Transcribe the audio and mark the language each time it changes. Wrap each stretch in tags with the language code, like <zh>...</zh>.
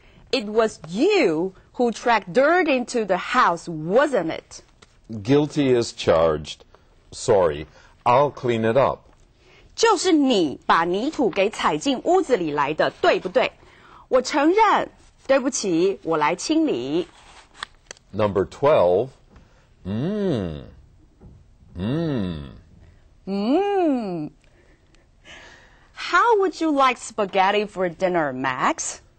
<en>It was you who tracked dirt into the house, wasn't it? Guilty as charged, sorry, I'll clean it up.</en> <zh>就是你把泥土给踩进屋子里来的，对不对？我承认，对不起，我来清理。</zh> <en>Number 12, How would you like spaghetti for dinner, Max?</en>